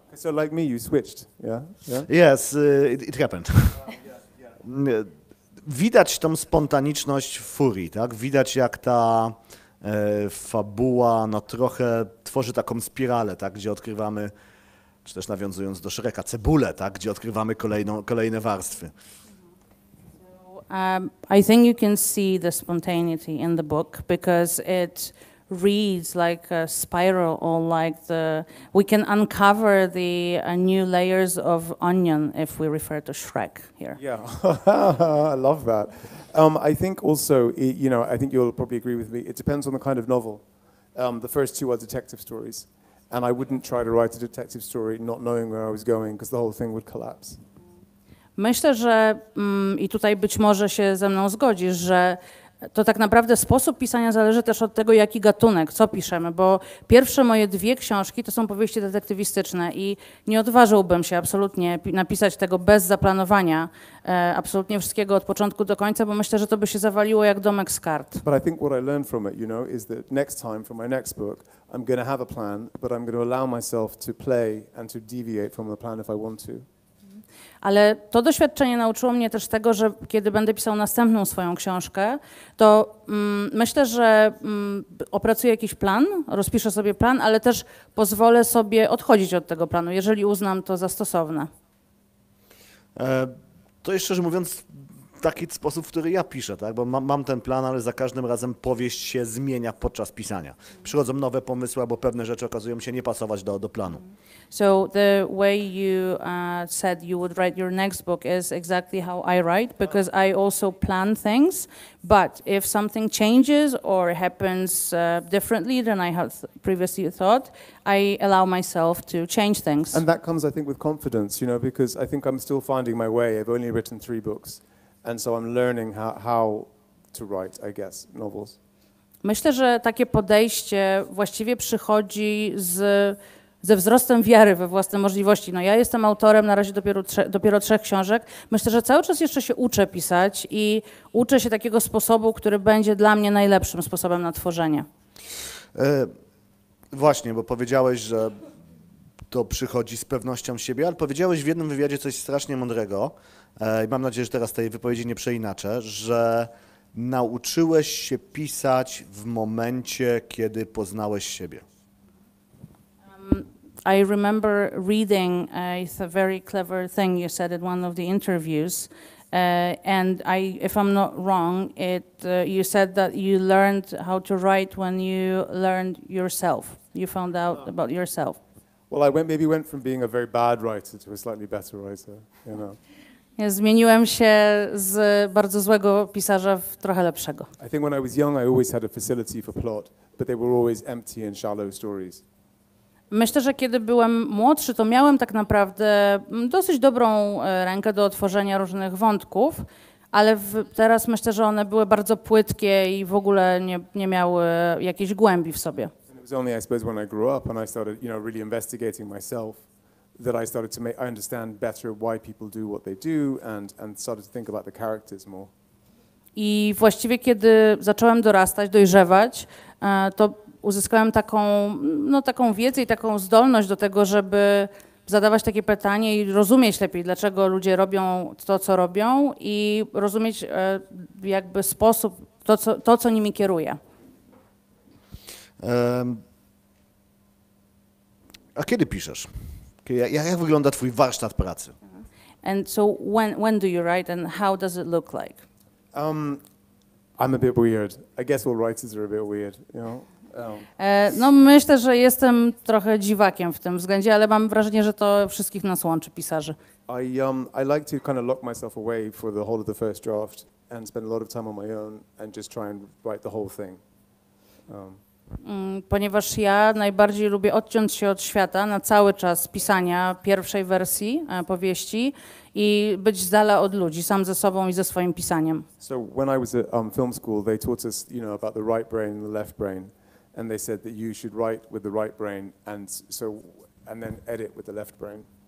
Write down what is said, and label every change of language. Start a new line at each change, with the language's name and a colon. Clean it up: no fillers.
English: So like me, you switched, yeah? Yes, it happened.
Polish: Widać tą spontaniczność w Fury, tak? Widać jak ta fabuła no trochę tworzy taką spiralę, tak? Gdzie odkrywamy, czy też nawiązując do Shreka, cebulę, tak? Gdzie odkrywamy kolejne warstwy.
English: So, I think you can see the spontaneity in the book because it reads like a spiral, or like the we can uncover the new layers of onion if we refer to Shrek here. Yeah, I love that. I think also, you know, I think you'll probably agree with me. It depends on the kind of novel. The first 2 are detective stories, and I wouldn't try to write a detective story not knowing where I was going because the whole thing would collapse.
Polish: Myślę, że i tutaj być może się ze mną zgodzisz, że to tak naprawdę sposób pisania zależy też od tego, jaki gatunek, co piszemy, bo pierwsze moje 2 książki to są powieści detektywistyczne i nie odważyłbym się absolutnie napisać tego bez zaplanowania absolutnie wszystkiego od początku do końca, bo myślę, że to by się zawaliło jak domek z kart.
English: But I think what I learned from it, you know, is that next time for my next book, I'm going to have a plan, but I'm going to allow myself to play and to deviate from the plan if I want to.
Polish: Ale to doświadczenie nauczyło mnie też tego, że kiedy będę pisał następną swoją książkę, to myślę, że opracuję jakiś plan, rozpiszę sobie plan, ale też pozwolę sobie odchodzić od tego planu, jeżeli uznam to za stosowne. To jest szczerze mówiąc taki sposób, w który ja piszę, tak? Bo mam ten plan, ale za każdym razem powieść się zmienia podczas pisania. Przychodzą nowe pomysły, albo pewne rzeczy okazują się nie pasować do planu.
English: So the way you said you would write your next book is exactly how I write, because I also plan things, but if something changes or happens differently than I had previously thought, I allow myself to change things. And that comes, I think, with confidence, you know, because I think I'm still finding my way. I've only written 3 books. And so I'm learning how to write, I guess, novels.
Polish: Myślę, że takie podejście właściwie przychodzi ze wzrostem wiary we własne możliwości. No ja jestem autorem na razie dopiero trzech książek. Myślę, że cały czas jeszcze się uczę pisać i uczę się takiego sposobu, który będzie dla mnie najlepszym sposobem na tworzenie. Właśnie, bo powiedziałeś, że to przychodzi z pewnością siebie, ale powiedziałeś w jednym wywiadzie coś strasznie mądrego. Mam nadzieję, że teraz tej wypowiedzi nie przeinaczę, że nauczyłeś się pisać w momencie, kiedy poznałeś siebie.
English: I remember reading a very clever thing you said in one of the interviews, and I, if I'm not wrong, it you said that you learned how to write when you learned yourself. You found out about yourself. Well, I went from being a very bad writer to a slightly better writer, you know.
Polish: Zmieniłem się z bardzo złego pisarza w trochę lepszego.
English: I think when I was young, I always had a facility for plot, but they were always empty and shallow stories.
Polish: Myślę, że kiedy byłem młodszy, to miałem tak naprawdę dosyć dobrą rękę do otworzenia różnych wątków, ale teraz myślę, że one były bardzo płytkie i w ogóle nie miały jakiejś głębi w sobie.
English: And it was only, I suppose, when I grew up and I started, you know, really investigating myself that I started to make, I understand better why people do what they do and started to think about the characters more.
Polish: I właściwie kiedy zacząłem dorastać, dojrzewać, to uzyskałem taką, no, taką wiedzę i taką zdolność do tego, żeby zadawać takie pytanie i rozumieć lepiej, dlaczego ludzie robią to, co robią i rozumieć jakby sposób, to co nimi kieruje. A kiedy piszesz? Jak wygląda twój warsztat pracy?
English: And so when do you write and how does it look like? I'm a bit weird. I guess all writers are a bit weird, you know?
Polish: No myślę, że jestem trochę dziwakiem w tym względzie, ale mam wrażenie, że to wszystkich nas łączy, pisarzy.
English: I like to kind of lock myself away for the whole of the first draft and spend a lot of time on my own and just try and write the whole thing.
Polish: Ponieważ ja najbardziej lubię odciąć się od świata na cały czas pisania pierwszej wersji powieści i być z dala od ludzi, sam ze sobą i ze swoim pisaniem.
English: So when I was at film school, they taught us, you know, about the right brain and the left brain. And they said that you should write with the right brain and so and then edit with the left brain.